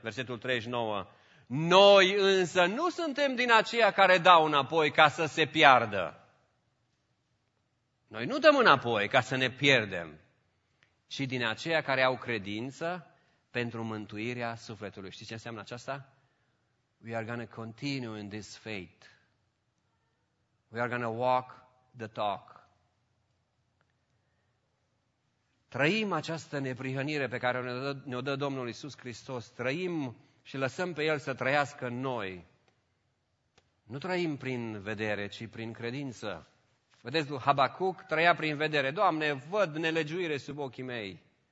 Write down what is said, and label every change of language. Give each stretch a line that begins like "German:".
Romanian: Versetul 39. Noi însă nu suntem din aceia care dau înapoi ca să se piardă. Noi nu dăm înapoi ca să ne pierdem, ci din aceia care au credință pentru mântuirea sufletului. Știți ce înseamnă aceasta?
English: We are going to continue in this faith. We are going to walk the talk.
Romanian: Trăim această neprihănire pe care ne-o dă Domnul Iisus Hristos. Trăim și lăsăm pe El să trăiască în noi. Nu trăim prin vedere, ci prin credință. Vedeți, lui Habacuc trăia prin vedere. Doamne, văd nelegiuire sub ochii mei.